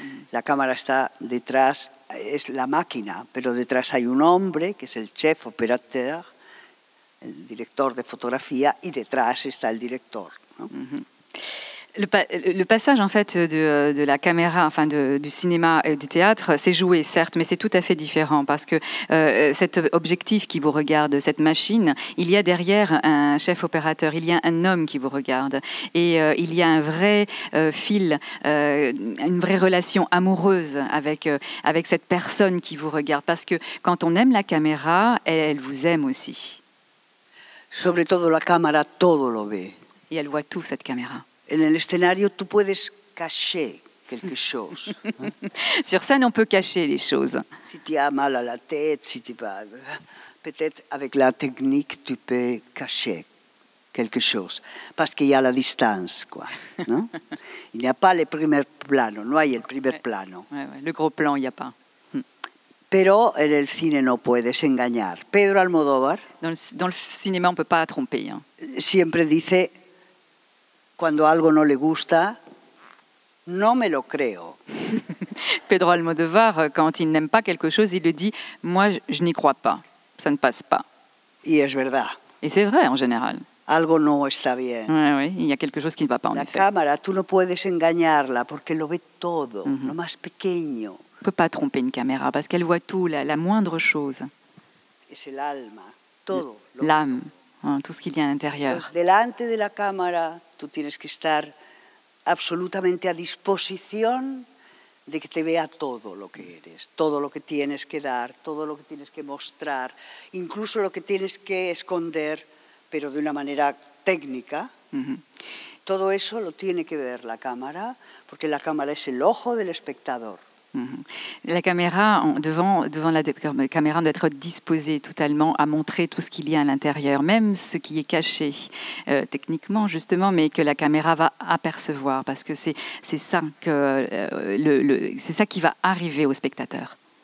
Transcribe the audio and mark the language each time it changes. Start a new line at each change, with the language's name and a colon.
Spanish: La cámara está detrás, es la máquina, pero detrás hay un hombre que es el chef opérateur, el director de fotografía, y detrás está el director, ¿no?
French: Le passage en fait de la caméra, enfin du cinéma et du théâtre, c'est joué certes, mais c'est tout à fait différent parce que cet objectif qui vous regarde, cette machine, il y a derrière un chef opérateur, il y a un homme qui vous regarde et il y a un vrai fil, une vraie relation amoureuse avec cette personne qui vous regarde parce que quand on aime la caméra, elle vous aime aussi.
Spanish: Sobre todo la cámara todo lo ve.
French: Et elle voit tout cette caméra.
Spanish: En el escenario tú puedes cacher
French: quelque chose. Sur scène, on peut cacher les choses. Si tu as mal à la tête, si tu pas, peut-être avec la technique, tu peux cacher quelque chose. Parce qu'il y a la distance, quoi. Non? Il n'y a pas le premier plan. Non, il y a le premier plan. Ouais, ouais, le gros plan, il n'y a pas.
Spanish: Pero en el cine no puedes engañar. Pedro Almodóvar.
French: Dans le cinéma, on peut pas tromper. Hein.
Spanish: Siempre dice, cuando algo no le gusta, no me lo creo.
French: Pedro Almodóvar, quand il n'aime pas quelque chose, il le dit, moi, je n'y crois pas. Ça ne passe pas.
Spanish: Y es verdad.
French: Et c'est vrai, en général.
Spanish: Algo no está bien.
French: Ouais, ouais, il y a quelque chose qui ne va pas, en la effet.
Spanish: La cámara, tú no puedes engañarla, porque lo ve todo, mm-hmm. lo más pequeño.
French: On ne peut pas tromper une caméra parce qu'elle voit tout, la moindre chose. Et c'est l'
Spanish: alma, todo,
French: l'âme, hein, tout ce qu'il y a à l'intérieur.
Spanish: Pues delante de la cámara, tu tienes que estar absolutamente à disposición de que te vea todo lo que eres, todo lo que tienes que dar, todo lo que tienes que mostrar, incluso lo que tienes que esconder, pero de una manera técnica. Mm-hmm. Todo eso lo tiene que ver la cámara, porque la cámara es el ojo del espectador.
French: La caméra, devant la caméra, doit être disposée totalement à montrer tout ce qu'il y a à l'intérieur, même ce qui est caché techniquement, justement, mais que la caméra va apercevoir, parce que c'est ça que c'est ça qui va arriver au spectateur.